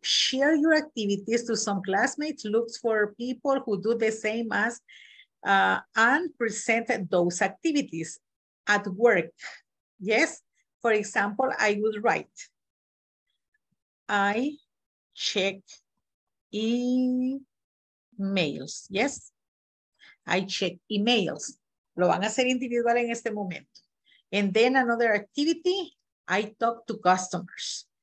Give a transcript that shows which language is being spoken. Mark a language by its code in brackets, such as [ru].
[en] Share your activities to some classmates, look for people who do the same as, and present those activities at work. Yes, for example, I would write, I check emails, yes? I check emails. [es] Lo van a hacer individual en este momento. [en] And then another activity, I talk to customers.